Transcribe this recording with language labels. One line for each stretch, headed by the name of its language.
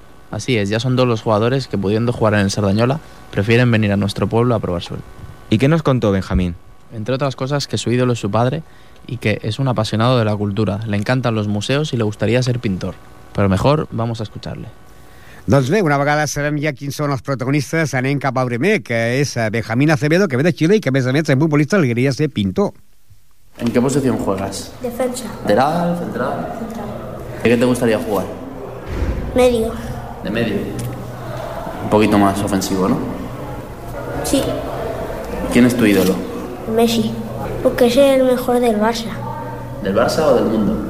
Spanish: Así es, ya son dos los jugadores que pudiendo jugar en el Cerdañola prefieren venir a nuestro pueblo a probar suerte. ¿Y qué nos contó Benjamín? Entre otras cosas que su ídolo es su padre y que es un apasionado de la cultura. Le encantan los museos y le gustaría ser pintor. Pero mejor vamos a escucharle.
Catalan: Doncs bé, una vegada sabem ja quins són els protagonistes, anem cap al primer, que és Benjamín Acevedo, que ve de Xile i que a més és futbolista, li agradaria ser pintor.
Spanish: ¿En qué posición juegas? Defensa. ¿Lateral, central? Central. ¿De qué te gustaría jugar? Medio. ¿De medio? Un poquito más ofensivo, ¿no? Sí. ¿Quién es tu ídolo? Messi, porque es el mejor del Barça. ¿Del Barça o del mundo?